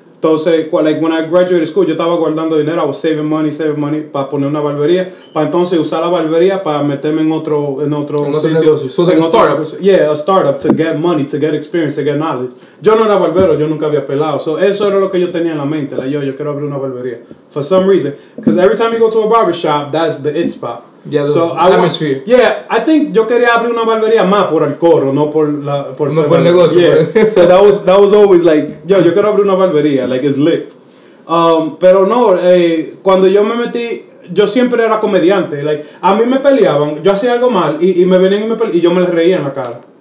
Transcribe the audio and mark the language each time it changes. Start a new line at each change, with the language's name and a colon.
Spanish: Entonces, like,
English: when I graduated school,
Spanish: yo estaba guardando dinero,
English: I was saving money
Spanish: para poner una barbería, para entonces usar la barbería para meterme en otro sitio, a startup.
English: Yeah, a startup, to get money, to get experience, to get knowledge.
Spanish: Yo no era barbero, yo nunca había pelado. So eso era lo que yo tenía en la mente, like, yo quiero abrir una barbería.
English: For some reason, because every time you go to a barbershop, that's the it spot. Yeah, so the atmosphere. I think
Spanish: yo quería abrir una barbería más por el coro, no por la por, no por el negocio.
English: Yeah. So that was always like,
Spanish: yo quiero abrir una barbería,
English: like, it's lit.
Spanish: Pero no, cuando yo me metí, yo siempre era comediante. Like, a mí me peleaban, yo hacía algo mal y me venían y me peleaban, y yo me les reía en la cara.